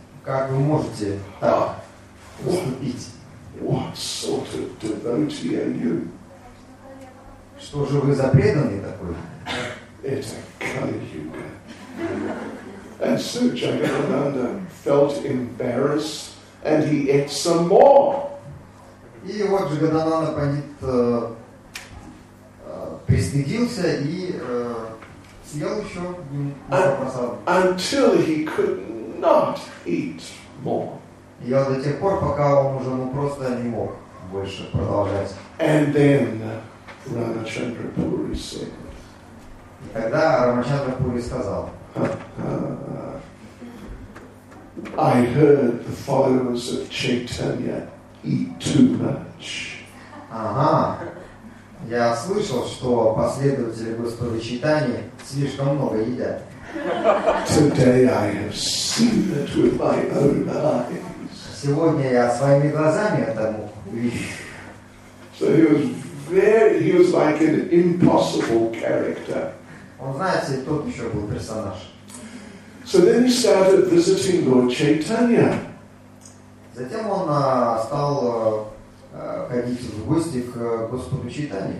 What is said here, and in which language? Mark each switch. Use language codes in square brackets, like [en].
[ru] Как вы можете так поступить? [en] What sort of devotee are you? [ru] Что же вы за преданный такой? [en] It's a Kali-yuga. And so Jagannanda felt embarrassed and he ate some more. [ru] И вот Джагананда Пандит пристыдился и съел еще Махапрасада. [en] Until he could not eat more. [ru] И вот до тех пор, пока он уже просто не мог больше продолжать. [en] And then Ramachandra Puri said, [ru] и тогда Рамачандра Пури сказал, [en] I heard the followers of Chaitanya eat too much. Ага. [ru] Я слышал, что последователи Господа Чайтаньи слишком много едят. [en] Today I have seen it with my own eyes. [ru] Сегодня я своими глазами этому вижу. [en] So he was like an impossible character. [ru] Он, знаете, тот еще был персонаж. [en] So then he started visiting Lord Chaitanya. [ru] Затем он стал ходить в гости к Господу Чайтанье.